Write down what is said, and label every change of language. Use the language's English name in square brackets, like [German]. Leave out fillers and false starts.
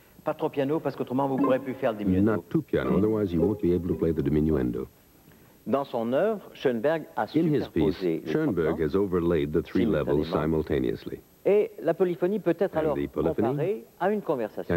[French] Pas trop piano, parce qu'autrement vous ne pourrez plus faire le diminuendo. [English] Not too piano, otherwise you won't be able to play the diminuendo. [French] Dans son œuvre, Schoenberg a [English] in his piece, Schoenberg has overlaid the three levels simultaneously. [French] Et la polyphonie peut être alors comparée à une conversation.